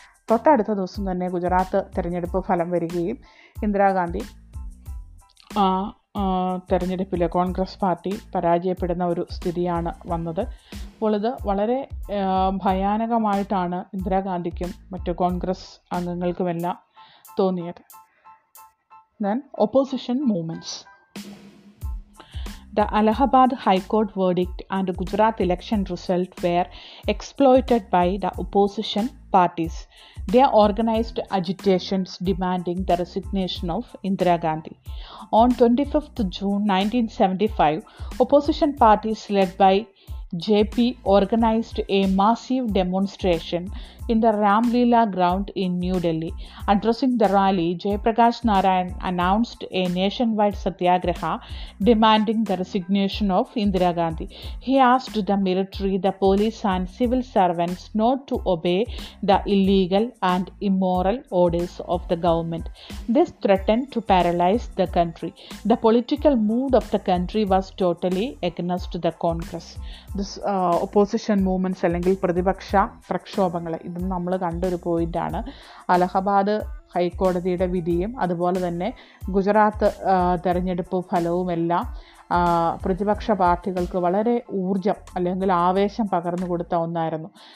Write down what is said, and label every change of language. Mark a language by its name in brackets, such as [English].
[Malayalam] തൊട്ടടുത്ത ദിവസം തന്നെ ഗുജറാത്ത് തെരഞ്ഞെടുപ്പ് ഫലം വരികയും ഇന്ദിരാഗാന്ധി ആ തെരഞ്ഞെടുപ്പിൽ കോൺഗ്രസ് പാർട്ടി പരാജയപ്പെടുന്ന ഒരു സ്ഥിതിയാണ് വന്നത്. അപ്പോൾ ഇത് വളരെ ഭയാനകമായിട്ടാണ് ഇന്ദിരാഗാന്ധിക്കും മറ്റ് കോൺഗ്രസ് അംഗങ്ങൾക്കുമെല്ലാം തോന്നിയത്. [English] Then opposition movements. The Allahabad High Court verdict and the Gujarat election result were exploited by the opposition parties. They organized agitations demanding the resignation of Indira Gandhi. On 25th June 1975, opposition parties led by JP organized a massive demonstration in the Ram Leela ground in New Delhi. Addressing the rally, Jayaprakash Narayan announced a nationwide satyagraha demanding the resignation of Indira Gandhi. He asked the military, the police and civil servants not to obey the illegal and immoral orders of the government. This threatened to paralyze the country. The political mood of the country was totally against the Congress. This opposition movements [Malayalam] അല്ലെങ്കിൽ പ്രതിപക്ഷ പ്രക്ഷോഭങ്ങൾ, ഇതും നമ്മൾ കണ്ടൊരു പോയിൻ്റാണ്. അലഹബാദ് ഹൈക്കോടതിയുടെ വിധിയും അതുപോലെ തന്നെ ഗുജറാത്ത് തെരഞ്ഞെടുപ്പ് ഫലവുമെല്ലാം പ്രതിപക്ഷ പാർട്ടികൾക്ക് വളരെ ഊർജം അല്ലെങ്കിൽ ആവേശം പകർന്നു കൊടുത്ത ഒന്നായിരുന്നു.